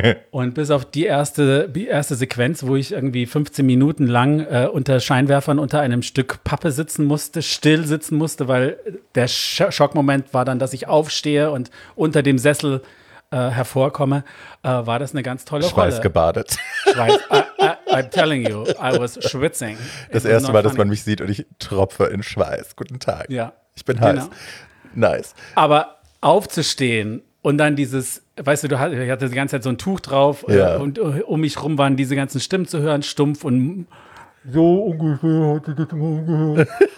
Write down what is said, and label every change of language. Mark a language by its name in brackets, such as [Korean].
[German] Und bis auf die erste Sequenz, wo ich irgendwie 15 Minuten lang unter Scheinwerfern unter einem Stück Pappe still sitzen musste, weil der Schockmoment war dann, dass ich aufstehe und unter dem Sessel hervorkomme, war das eine ganz tolle Schweißgebadet. Rolle. Schweißgebadet. [English] I'm telling you, I was schwitzing. [German] Das erste Mal, dass man mich sieht und ich tropfe in Schweiß. Guten Tag. Ja. Ich bin heiß. Genau. Nice. Aber aufzustehen und dann dieses, weißt du, ich hatte die ganze Zeit so ein Tuch drauf, ja. Und um mich rum waren diese ganzen Stimmen zu hören, stumpf und so ungefähr hatte ich das mal gehört.